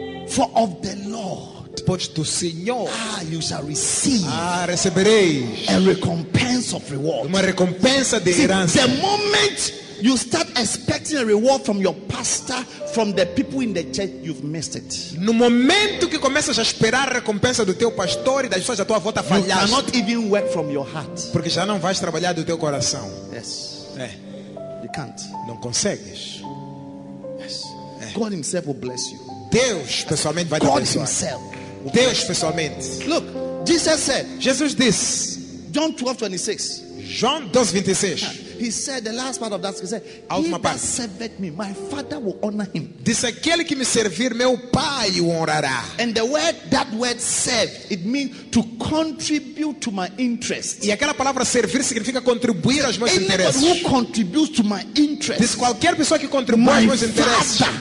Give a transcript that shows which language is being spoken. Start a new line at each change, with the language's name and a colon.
English: For of the Lord. But to Senhor, ah, you shall receive,
Portuguese: ah, recebereis
English: a recompense of reward.
Portuguese: Uma recompensa de herança.
English: See, the moment you start expecting a reward from your pastor, from the people in the church, you've missed it.
Portuguese: No momento que começas a esperar a recompensa do teu pastor e das pessoas da tua volta, falhaste.
English: You cannot even work from your heart.
Portuguese: Porque já não vais trabalhar do teu coração.
English: Yes.
Portuguese: É.
English: You can't.
Portuguese: Não consegues.
English: Yes.
Portuguese: É.
English: God Himself will bless you.
Portuguese: Deus pessoalmente vai
English: God
Portuguese: te abençoar.
English: God Himself.
Portuguese: Deus pessoalmente.
English: Look, Jesus said, Jesus this, John 12:26.
Portuguese: João 12:26.
English: He said the last part of that, he said, he that serveth me, my father will honor him.
Portuguese: Diz aquele que me servir, meu pai o honrará.
English: And the word, that word serve, it means to contribute to my interest.
Portuguese: E aquela palavra servir significa contribuir aos meus
English: anyone
Portuguese: interesses.
English: Anyone who contributes to my interest.
Portuguese: Diz qualquer pessoa que contribui aos meus interesses.